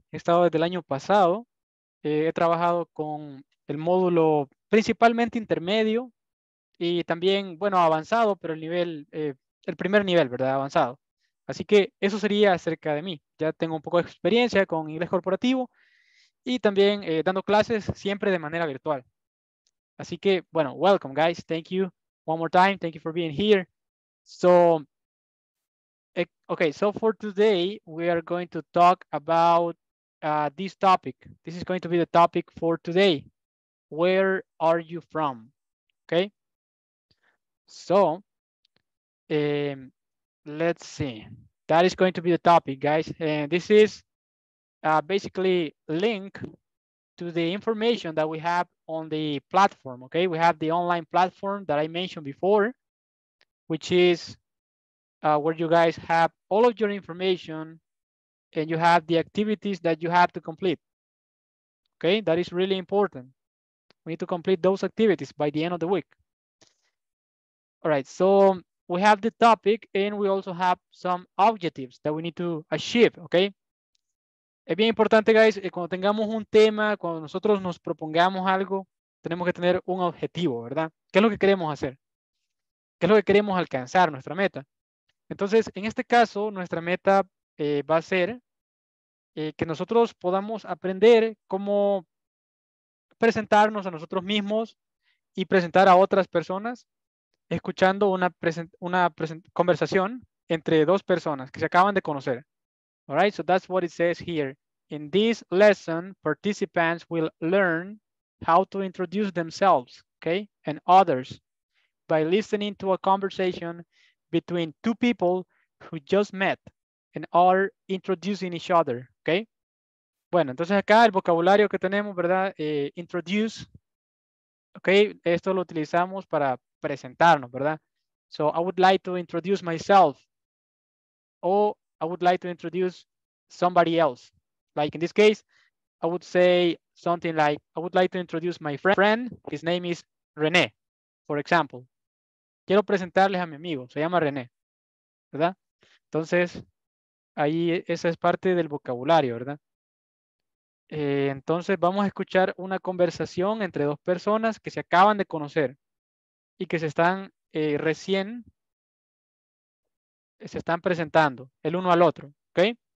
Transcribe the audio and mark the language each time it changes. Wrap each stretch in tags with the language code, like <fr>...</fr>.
<es>He estado desde el año pasado. He trabajado con el módulo principalmente intermedio y también, bueno, avanzado, pero el nivel, el primer nivel, ¿verdad? Avanzado. Así que eso sería acerca de mí. Ya tengo un poco de experiencia con inglés corporativo y también dando clases siempre de manera virtual. Así que, bueno,</es> <en>welcome, guys. Thank you one more time. Thank you for being here. So, okay, so for today, we are going to talk about this topic. This is going to be the topic for today. Where are you from? Okay. So, let's see. That is going to be the topic, guys. And this is basically linked to the information that we have on the platform, okay? We have the online platform that I mentioned before, which is where you guys have all of your information and you have the activities that you have to complete, okay? That is really important. We need to complete those activities by the end of the week. All right, so we have the topic and we also have some objectives that we need to achieve, okay?</en> <es>Es bien importante, guys, cuando tengamos un tema, cuando nosotros nos propongamos algo, tenemos que tener un objetivo, ¿verdad? ¿Qué es lo que queremos hacer? ¿Qué es lo que queremos alcanzar, nuestra meta? Entonces, en este caso, nuestra meta va a ser que nosotros podamos aprender cómo presentarnos a nosotros mismos y presentar a otras personas escuchando una conversación entre dos personas que se acaban de conocer.</es> <en>All right, so that's what it says here. In this lesson, participants will learn how to introduce themselves, okay, and others by listening to a conversation between two people who just met and are introducing each other, okay?</en> <es>Bueno, entonces acá el vocabulario que tenemos, ¿verdad? Introduce, okay, esto lo utilizamos para presentarnos, ¿verdad?</es> <en>So I would like to introduce myself, or I would like to introduce somebody else. Like in this case, I would say something like, I would like to introduce my friend. His name is René, for example.</en> <es>Quiero presentarles a mi amigo, se llama René, ¿verdad? Entonces, ahí esa es parte del vocabulario, ¿verdad? Entonces, vamos a escuchar una conversación entre dos personas que se acaban de conocer y que se están recién, se están presentando el uno al otro, ¿okay?</es>